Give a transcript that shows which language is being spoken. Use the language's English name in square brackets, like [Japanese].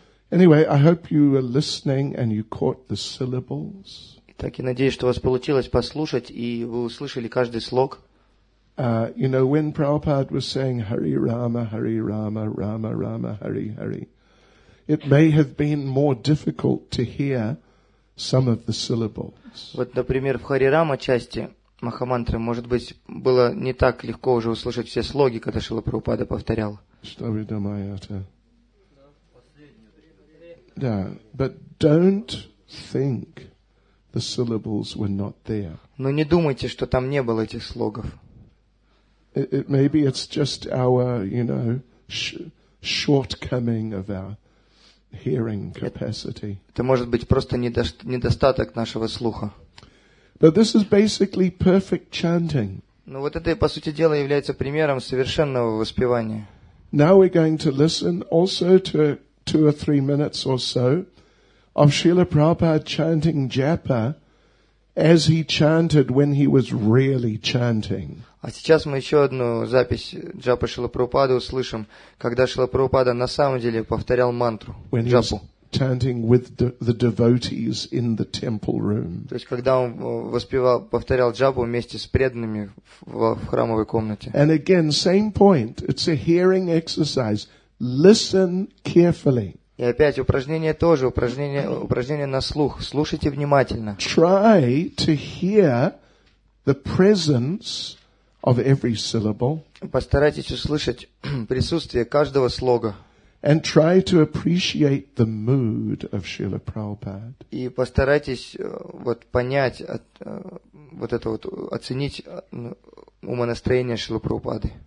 [English] Anyway, I hope you were listening and you caught the syllables. [Russian] Так, я надеюсь, что у вас получилось послушать и вы услышали каждый слог. [English] You know, when Prabhupada was saying Hari Rama, Hari Rama, Rama Rama, Hari Hari, it may have been more difficult to hear some of the syllables. [Russian] Вот, например, в Харирама части Махамантры, может быть, было не так легко уже услышать все слоги, когда Шрила Прабхупада повторял. Что вы думаете? [English] Да, but don't think the syllables were not there. [Russian] Но не думайте, что там не было этих слогов. [English] It maybe it's just our, you know, shortcoming of our hearing capacity. [Russian] Это может быть просто недостаток нашего слуха. [English] But this is basically perfect chanting. [Russian] Но вот это, по сути дела, является примером совершенного воспевания. [English] Now we're going to listen also to a two or three minutes or so of Srila Prabhupada chanting japa as he chanted when he was really chanting. [Russian] А сейчас мы еще одну запись джапы Шрилы Прабхупады услышим, когда Шрила Прабхупада на самом деле повторял мантру, [English] when [Russian] джапу. [English] He was chanting with the devotees in the temple room. [Russian] То есть когда он воспевал, повторял джапу вместе с преданными в храмовой комнате. [English] And again, same point. It's a hearing exercise. Listen carefully. [Russian] И опять упражнение тоже, упражнение на слух. Слушайте внимательно. [English] Try to hear the presence of every syllable. [Russian] Постарайтесь услышать присутствие каждого слога. [English] And try to appreciate the mood of Srila Prabhupada. [Russian] И постарайтесь вот понять вот это вот оценить умонастроение Шрилы Прабхупады.